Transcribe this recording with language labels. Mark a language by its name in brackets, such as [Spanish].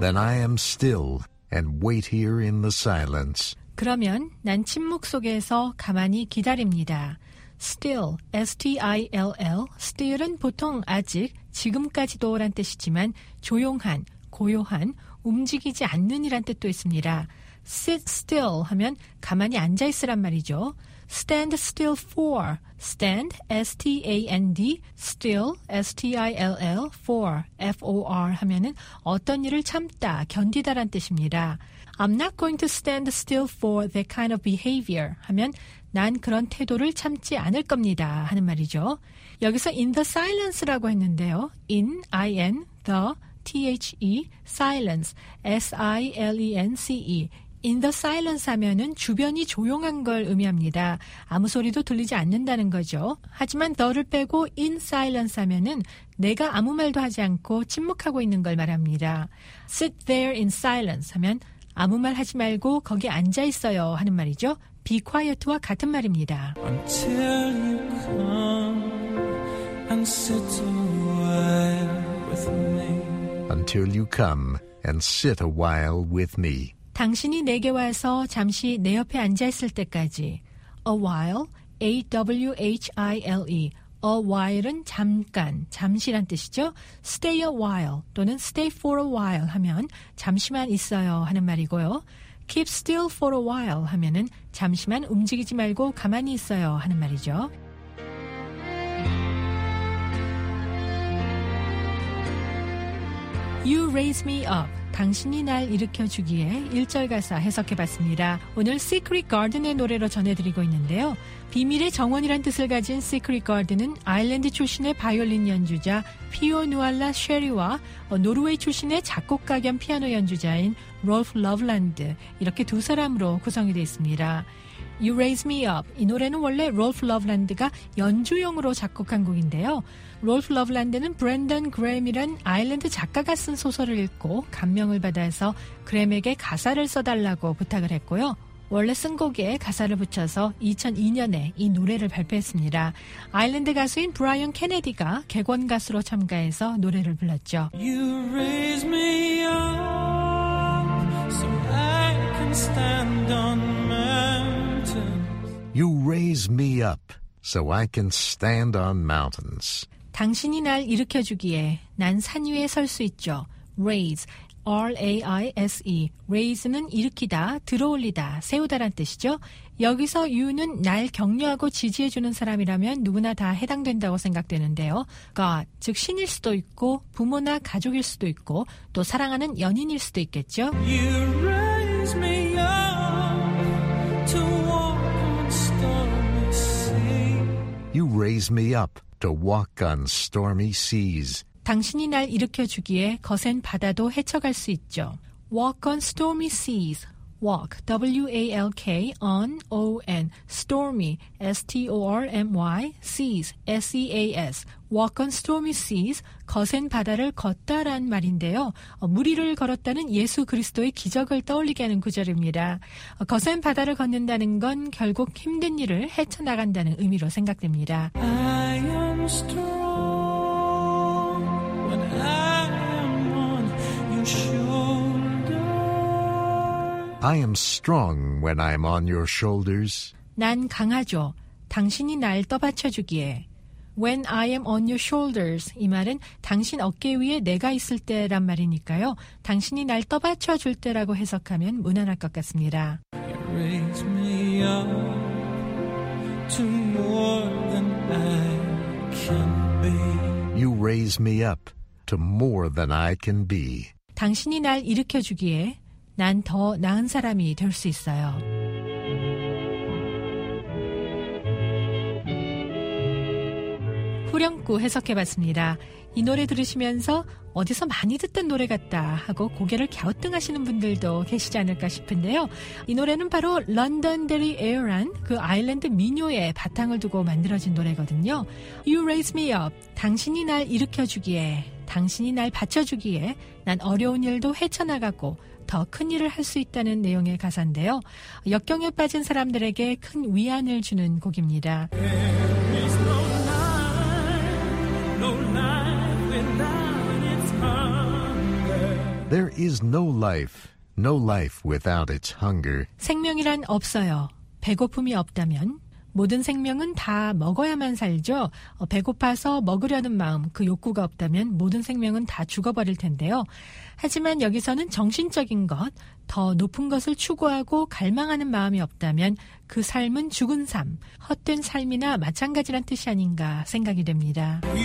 [English] Then I am still and wait here in the silence. [Korean] 그러면 난 침묵 속에서 가만히 기다립니다. [English] Still, S-T-I-L-L. [Korean] Still은 보통 아직, 지금까지도란 뜻이지만 조용한, 고요한, 움직이지 않는이란 뜻도 있습니다. [English] Sit still [Korean] 하면 가만히 앉아있으란 말이죠. [English] Stand still for. Stand, S-T-A-N-D. Still, S-T-I-L-L. [Korean] For, F-O-R 하면은 어떤 일을 참다, 견디다란 뜻입니다. [English] I'm not going to stand still for that kind of behavior [Korean] 하면 난 그런 태도를 참지 않을 겁니다 하는 말이죠. 여기서 [English] in the silence [Korean] 라고 했는데요. [English] In, I-N, the, T-H-E, silence, S-I-L-E-N-C-E. In the silence [Korean] 하면은 주변이 조용한 걸 의미합니다. 아무 소리도 들리지 않는다는 거죠. 하지만 the를 빼고 [English] in silence [Korean] 하면은 내가 아무 말도 하지 않고 침묵하고 있는 걸 말합니다. [English] Sit there in silence [Korean] 하면 아무 말 하지 말고 거기 앉아 있어요 하는 말이죠. [English] Be quiet [Korean] 와 같은 말입니다. [English] Until you come and sit a while with me. Until you come and sit a while with me. [Korean] 당신이 내게 와서 잠시 내 옆에 앉아 있을 때까지. [English] A while, A-W-H-I-L-E. [Korean] A while은 잠깐, 잠시란 뜻이죠. [English] Stay a while [Korean] 또는 [English] stay for a while [Korean] 하면 잠시만 있어요 하는 말이고요. [English] Keep still for a while [Korean] 하면은 잠시만 움직이지 말고 가만히 있어요 하는 말이죠. [English] 'You raise me up' [Korean] 당신이 날 일으켜주기에 1절 가사 해석해봤습니다. 오늘 Secret Garden의 노래로 전해드리고 있는데요. 비밀의 정원이란 뜻을 가진 Secret Garden은 아일랜드 출신의 바이올린 연주자 피오 누알라 쉐리와 노르웨이 출신의 작곡가 겸 피아노 연주자인 롤프 러블란드 이렇게 두 사람으로 구성이 되어 있습니다. [English] You Raise Me Up [Korean] 이 노래는 원래 롤프 러블란드가 연주용으로 작곡한 곡인데요. 롤프 러블란드는 브랜던 그램이란 아일랜드 작가가 쓴 소설을 읽고 감명을 받아서 그램에게 가사를 써달라고 부탁을 했고요. 원래 쓴 곡에 가사를 붙여서 2002년에 이 노래를 발표했습니다. 아일랜드 가수인 브라이언 케네디가 객원 가수로 참가해서 노래를 불렀죠. [English] You raise me up so I can stand on mountains. You raise me up so I can stand on mountains. [Korean] 당신이 날 일으켜주기에 난 산 위에 설 수 있죠. [English] Raise, R-A-I-S-E. [Korean] Raise는 일으키다, 들어올리다, 세우다란 뜻이죠. 여기서 you는 날 격려하고 지지해주는 사람이라면 누구나 다 해당된다고 생각되는데요. God, 즉 신일 수도 있고 부모나 가족일 수도 있고 또 사랑하는 연인일 수도 있겠죠. [English] You raise me up to walk on stormy sea. You raise me up. To walk on stormy seas. [Korean] 당신이 날 일으켜주기에 거센 바다도 헤쳐갈 수 있죠. [English] Walk on stormy seas. Walk, W-A-L-K, on, O-N, stormy, S-T-O-R-M-Y, seas, S-E-A-S. Walk on stormy seas, [Korean] 거센 바다를 걷다란 말인데요. 무리를 걸었다는 예수 그리스도의 기적을 떠올리게 하는 구절입니다. 거센 바다를 걷는다는 건 결국 힘든 일을 헤쳐나간다는 의미로 생각됩니다. [English] I am strong when I am on your shoulders. I am strong when I'm on your shoulders. [Korean] 난 강하죠. 당신이 날 떠받쳐주기에. [English] When I am on your shoulders. [Korean] 이 말은 당신 어깨 위에 내가 있을 때란 말이니까요. 당신이 날 떠받쳐줄 때라고 해석하면 무난할 것 같습니다. [English] You raise me up to more than I can be. You raise me up to more than I can be. [Korean] 당신이 날 일으켜주기에. 난 더 나은 사람이 될 수 있어요. 후렴구 해석해봤습니다. 이 노래 들으시면서 어디서 많이 듣던 노래 같다 하고 고개를 갸우뚱하시는 분들도 계시지 않을까 싶은데요. 이 노래는 바로 런던데리 에어란 그 아일랜드 민요에 바탕을 두고 만들어진 노래거든요. [English] You raise me up. [Korean] 당신이 날 일으켜주기에, 당신이 날 받쳐주기에 난 어려운 일도 헤쳐나가고 더 큰 일을 할 수 있다는 내용의 가사인데요. 역경에 빠진 사람들에게 큰 위안을 주는 곡입니다. [English] There is no life, no life without its hunger. There is no life, no life without its hunger. [Korean] 생명이란 없어요. 배고픔이 없다면 모든 생명은 다 먹어야만 살죠. 배고파서 먹으려는 마음, 그 욕구가 없다면 모든 생명은 다 죽어버릴 텐데요. 하지만 여기서는 정신적인 것, 더 높은 것을 추구하고 갈망하는 마음이 없다면 그 삶은 죽은 삶, 헛된 삶이나 마찬가지란 뜻이 아닌가 생각이 됩니다.